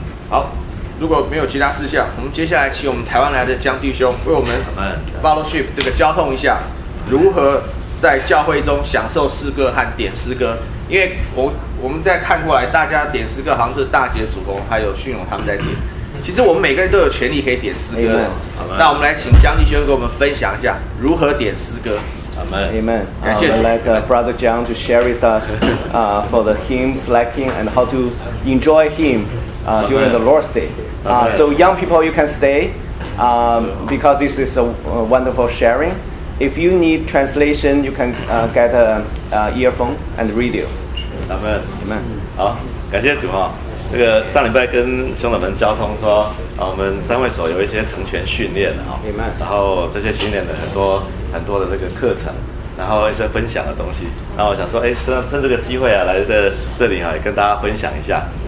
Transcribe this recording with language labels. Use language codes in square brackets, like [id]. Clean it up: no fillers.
[zh] 好，如果没有其他事项，我们接下来请我们台湾来的江弟兄为我们 fellowship 这个交通一下，如何在教会中享受诗歌和点诗歌？因为我们再看过来，大家点诗歌好像是大姐主公还有迅勇他们在点，其实我们每个人都有权利可以点诗歌。 [en] Amen. [zh] 那我们来请江弟兄给我们分享一下如何点诗歌。 [en] Amen. Amen. I would like Brother John to share with us for the hymn selecting and how to enjoy hymn. During the Lord's Day. So young people, you can stay because this is a wonderful sharing. If you need translation, you can get an earphone and radio. Amen. Amen. [zh] 好，感谢主啊。这个上礼拜跟兄弟们交通说，我们三位所有一些成全训练啊。 [en] Amen. [zh] 然后这些训练的很多很多的这个课程，然后一些分享的东西。那我想说，趁这个机会啊，来这里啊，也跟大家分享一下。